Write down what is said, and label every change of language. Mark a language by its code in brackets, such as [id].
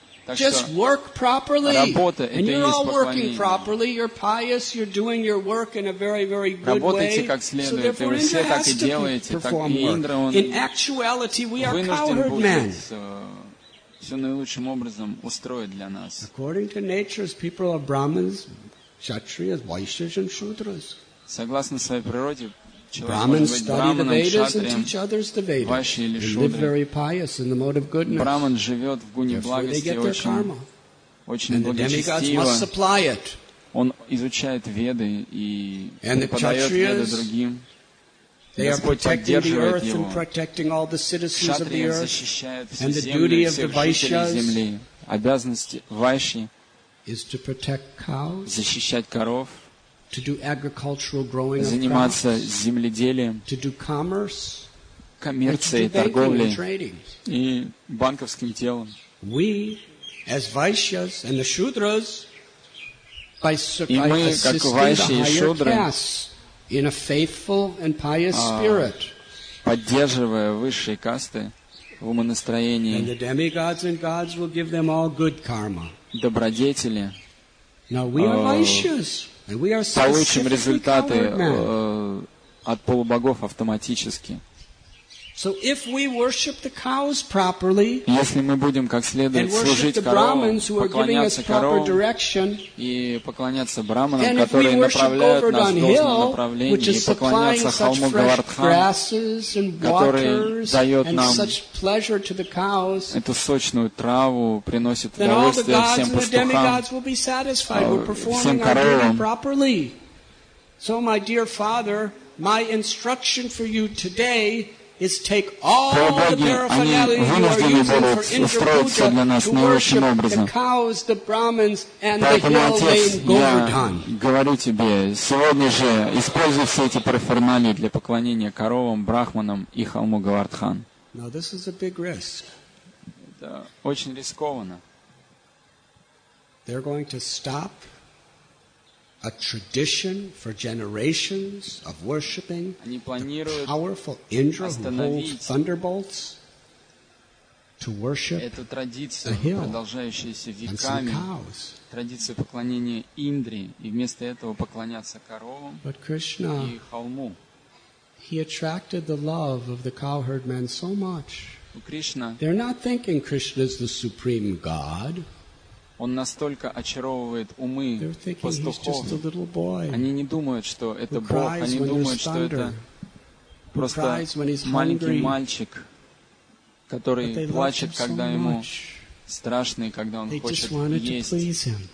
[ru] Так что работа — это и есть поклонение. Работайте как следует, и вы все так и делаете. Так и Индра, он вынужден будет все наилучшим образом устроить для нас. [en] According to nature, people are Brahmins, Kshatriyas, Vaishyas, and Shudras. [ru] Согласно своей природе, [en] Brahmins study the Vedas and teach others the Vedas. They live very pious in the mode of goodness. [ru] Браман живет в гуне благости очень благочестиво. Он изучает Веды и преподает Веды другим. [en] They are protecting the earth and protecting all the citizens of the earth. And the duty of the Vaishyas is to protect cows, [ru] защищать коров, [en] to do agricultural growing of [ru] заниматься [en] crops, [ru] земледелием, [en] to do commerce, [ru] коммерцией, торговлей и банковским делом. [en] We, as Vaishyas and the Shudras, by assisting the higher castes, in a faithful and pious spirit, [ru] поддерживая высшие касты в умонастроении, [en] and the demigods and gods will give them all good karma. [ru] Добродетели. [en] Now we are vaishyas, and we are [ru] получим результаты от полубогов автоматически. [en] So if we worship the cows properly, [ru] если мы будем как следует служить коровам, поклоняться коровам и поклоняться браманам, которые направляют нас в должном направлении, и поклоняться холму Говардхан, который дает нам [en] cows, [ru] эту сочную траву, приносит удовольствие всем пастухам, всем коровам. [en] So, my dear father, my instruction for you today is take all the paraphernalia you are using for Indra Puja to worship the cows, the Brahmins, and the hill named Govardhan. [ru] Говорю тебе, сегодня же используй все эти параферналии для поклонения коровам, брахманам и холму Говардхан. [en] Now this is a big risk. [ru] Это очень рискованно. [en] They're going to stop a tradition for generations of worshiping the powerful Indra who holds thunderbolts to worship the hill and some cows. [ru] Традицию поклонения Индре и вместо этого поклоняться коровам и холму. [en] He attracted the love of the cowherd men so much. [ru] Кришна. [en] They're not thinking Krishna is the supreme god. [ru] Он настолько очаровывает умы пастухов. Они не думают, что это Бог. Они думают, что это просто маленький мальчик, который плачет, когда ему страшно, и когда он хочет есть.